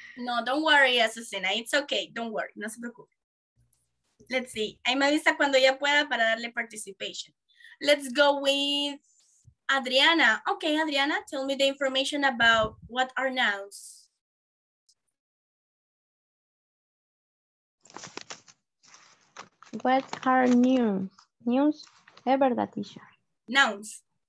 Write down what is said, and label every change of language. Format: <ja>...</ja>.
<en>No, don't worry, Azucena, it's okay, don't worry,</en> <es>no se preocupe.</es> <en>Let's see,</en> <es>ahí me avisa cuando ya pueda para darle participation.</es> <en>Let's go with Adriana. Okay, Adriana, tell me the information about what are nouns. What are news?</en> <es>Es verdad,</es> <en>Tisha. Nouns.</en>